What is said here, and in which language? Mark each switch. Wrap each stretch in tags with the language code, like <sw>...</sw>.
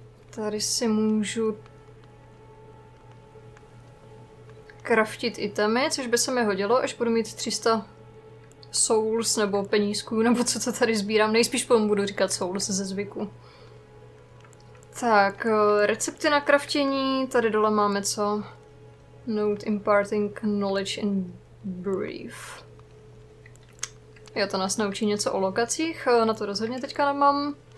<cs>Tady si můžu craftit itemy, což by se mi hodilo, až budu mít 300 souls nebo penízků, nebo co to tady sbírám. Nejspíš potom budu říkat souls ze zvyku. Tak, recepty na craftění, tady dole máme co?</cs> <en>Note imparting knowledge in brief.</en> <cs>Jo, to nás naučí něco o lokacích, na to rozhodně teďka nemám.</cs>